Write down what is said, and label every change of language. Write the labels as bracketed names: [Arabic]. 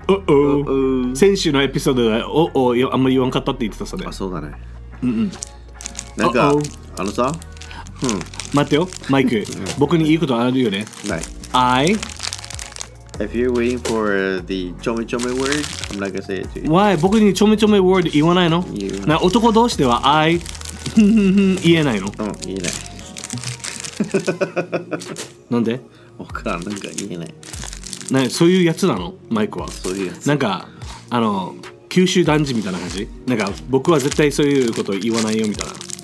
[Japanese] おお先週のエピソードでおおあんまり言わんかったって言ってたさね。あ、そうだね。うんうん、なんかあのさ、待ってよマイク。僕にいいことあるよね。ない。 [English] I If you're waiting for the chomi chomi word, I'm not gonna say it to you. Why? [Japanese] 僕にチョメチョメ word 言わないの？な、男同士では I 言えないの？うん、言えない。なんで？わからん、なんか言えない。な、そういうやつなの？マイクは。そういうやつ。なんか、あの、九州男児みたいな感じ？なんか、僕は絶対そういうこと言わないよみたいな。